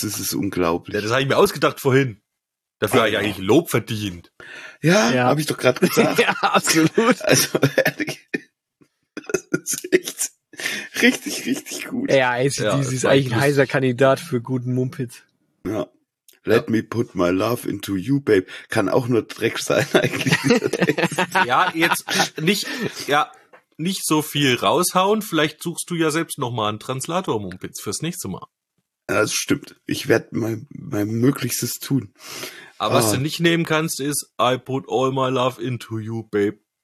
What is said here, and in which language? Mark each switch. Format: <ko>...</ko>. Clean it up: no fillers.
<de>Das ist unglaublich. Ja, das habe ich mir ausgedacht vorhin. Dafür habe ich eigentlich Lob verdient. Ja, ja. Habe ich doch gerade gesagt. Ja, absolut. Also, ehrlich. Das ist echt richtig, richtig gut. Ja, AC/DC ist eigentlich ein heißer Kandidat für guten Mumpitz. Ja.</de> <en>Let me put my love into you, babe.</en> <de>Kann auch nur Dreck sein, eigentlich. Ja, jetzt nicht so viel raushauen. Vielleicht suchst du ja selbst nochmal einen Translator-Mumpitz fürs nächste Mal. Das stimmt. Ich werde mein Möglichstes tun. Aber was du nicht nehmen kannst, ist</de> <en>I put all my love into you, babe.</en>